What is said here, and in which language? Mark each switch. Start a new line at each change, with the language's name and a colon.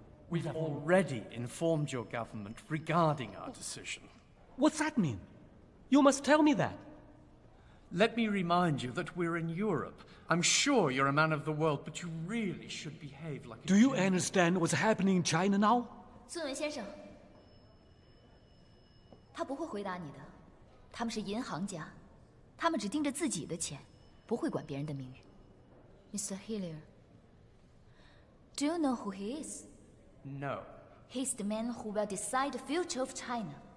English: We've already informed your government regarding our decision. What's that mean? You must tell me that. Let me remind you that we're in Europe. I'm sure you're a man of the world, but you really should behave like a Do you understand what's happening in China now?
Chinese: 孙文先生他不会回答你的，他们是银行家，他们只盯着自己的钱，不会管别人的命运。
English: Mr. Hillier, do you know who he is? No. He's the man who will decide the future of China.